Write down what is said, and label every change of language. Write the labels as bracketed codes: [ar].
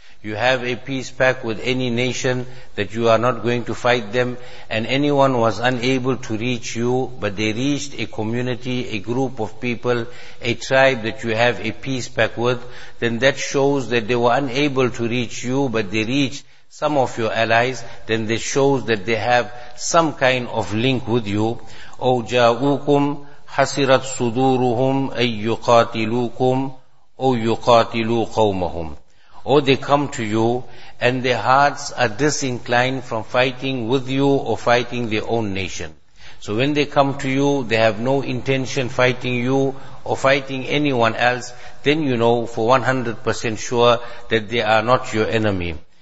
[en] You have a peace pact with any nation that you are not going to fight them, and anyone was unable to reach you, but they reached a community, a group of people, a tribe that you have a peace pact with, then that shows that they were unable to reach you, but they reached some of your allies, then this shows that they have some kind of link with you. [ar] O جاءوكم حسرت صدورهم أن يقاتلوكم أو يقاتلوا قومهم. [en] Or they come to you and their hearts are disinclined from fighting with you or fighting their own nation. So when they come to you, they have no intention fighting you or fighting anyone else, then you know for 100% sure that they are not your enemy.